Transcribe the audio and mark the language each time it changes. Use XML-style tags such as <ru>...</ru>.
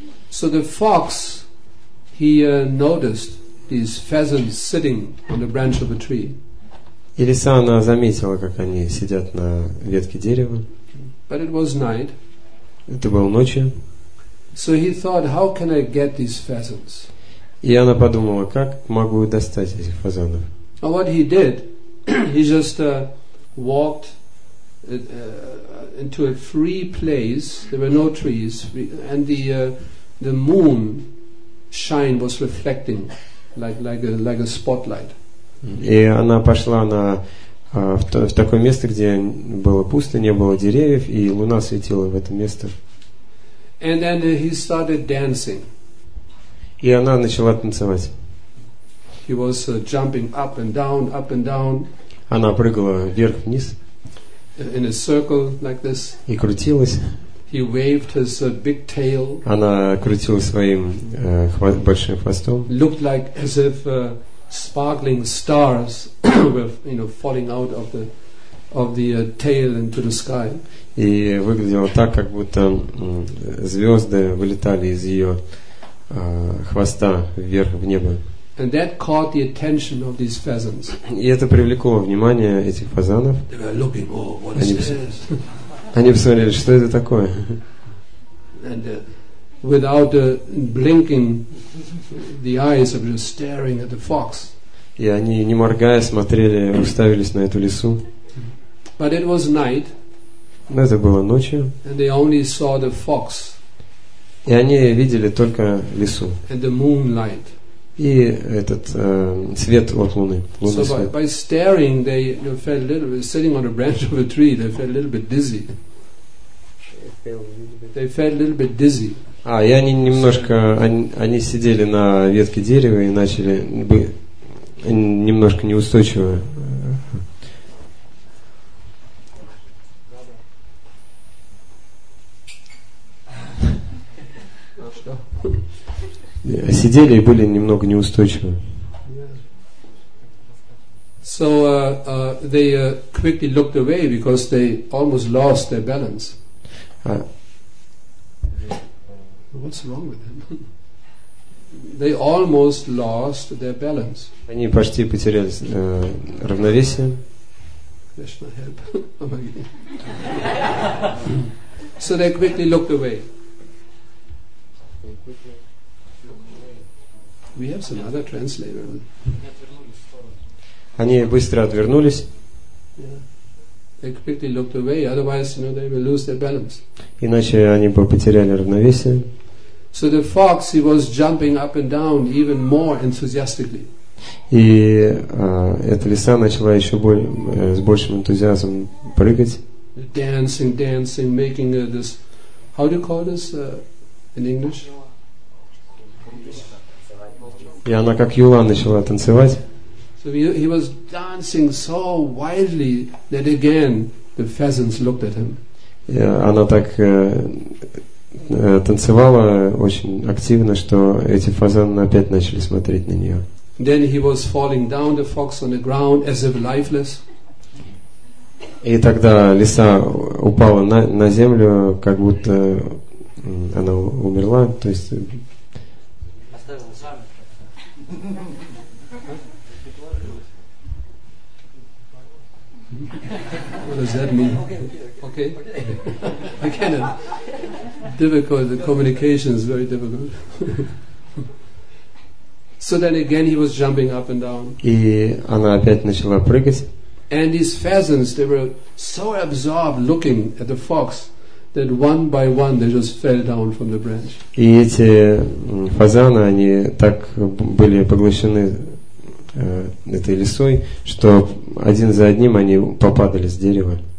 <en>So the fox, he noticed these pheasants sitting on the branch of a tree.</en> <ru>И лиса, она заметила, как они сидят на ветке дерева.</ru> <en>But it was night.</en> <ru>Это было ночью.</ru> <en>So he thought, how can I get these pheasants?</en> <ru>И она подумала, как могу достать этих фазанов.</ru> <en>And what he did, he just walked into a free place. There were no trees, and the moon shine was reflecting like a spotlight.</en> <ru>И она пошла на в такое место, где было пусто, не было деревьев, и луна светила в это место.</ru> <en>And then he started dancing.</en> <ru>И она начала танцевать.</ru> <en>He was jumping up and down, up and down.</en> <ru>Она прыгала вверх вниз.</ru> <en>In a circle like this.</en> <ru>И крутилась.</ru> <en>He waved his big tail.</en> <ru>Она крутила своим большим хвостом.</ru> <en>Looked like as if sparkling stars were, you know, falling out of the tail into the sky.</en> <ru>И выглядело так, как будто звезды вылетали из ее хвоста вверх в небо.</ru> <en>And that caught the attention of these pheasants.</en> <ru>И это привлекло внимание этих фазанов.</ru> <en>They were looking, oh, what is this?</en> <ru>Они посмотрели, что это такое?</ru> <en>And without blinking, the eyes were just staring at the fox.</en> <ru>И они, не моргая, смотрели, уставились на эту лису.</ru> <en>But it was night.</en> <ru>Но это было ночью.</ru> <en>And they only saw the fox.</en> <ru>И они видели только лису.</ru> <en>And the moonlight.</en> <ru>И этот свет от луны.</ru> <en>So by staring, they felt a little bit, sitting on a branch of a tree, they felt a little bit dizzy. They felt a little bit dizzy.</en> <ru>А, и они немножко, они сидели на ветке дерева и начали немножко неустойчиво. Сидели и были немного неустойчивы.</ru> <en>So they quickly looked away because they almost lost their balance. What's wrong with them? They almost lost their balance.</en> <ru>Они почти потеряли равновесие.</ru> <en>Krishna help. So they quickly looked away. We have some other translator.</en> <ru>Они быстро отвернулись.</ru> <en>Yeah. They quickly looked away, otherwise, you know, they will lose their balance.</en> <ru>Иначе они бы потеряли равновесие.</ru> <en>So the fox, he was jumping up and down even more enthusiastically.</en> <ru>И эта лиса начала еще с большим энтузиазмом прыгать.</ru> <en>Dancing, dancing, making this. How do you call this in English?</en> <ru>И она как юла начала танцевать.</ru> <en>So he was dancing so wildly that again the pheasants looked at him.</en> <ru>Она так танцевала очень активно, что эти фазаны опять начали смотреть на нее.</ru> <en>Then he was falling down, the fox on the ground, as if lifeless.</en> <ru>И тогда лиса упала на землю, как будто она умерла, то есть оставила жамы.</ru> <en>What does that mean? Okay. I cannot. Difficult, the communication is very difficult. So then again he was jumping up and down.</en> <ru>И она опять начала прыгать.</ru> <en>And these pheasants, they were so absorbed looking at the fox that one by one they just fell down from the branch.</en> <ru>И эти фазаны, они так были поглощены этой лисой, что один за одним они попадали с дерева.</ru>